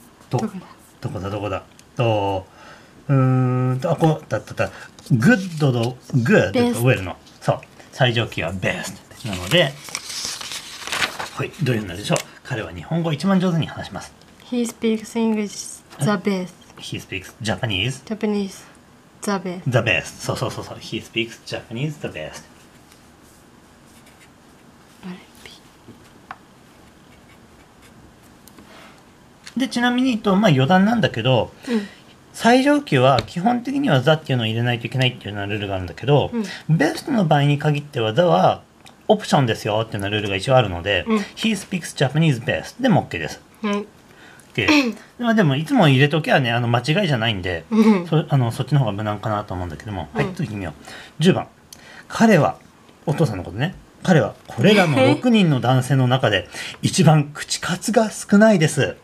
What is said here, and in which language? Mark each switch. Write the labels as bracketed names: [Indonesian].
[Japanese] どこだとあこだったた Good と Good と Well のそう最上級は Best なので、はい、どういうのでしょう、彼は日本語を一番上手に話します。 [English] He speaks English the best. He speaks Japanese. Japanese the best. The best. [Japanese] そうそうそうそう。 [English] He speaks Japanese the best. [Japanese] で、ちなみに言うと、まあ余談なんだけど、うん、最上級は基本的には the っていうのを入れないといけないっていうようなルールがあるんだけど、うん、 best の場合に限っては the はオプションですよっていうのルールが一応あるので、うん、 [English] He speaks Japanese best [Japanese] でも OK です、はい、 OK、まあ、でもいつも入れときゃね、あの間違いじゃないんで、うん、そっちの方が無難かなと思うんだけども、うん、はい、次見よう。10番、彼はお父さんのことね、彼はこれらの6人の男性の中で一番口数が少ないです。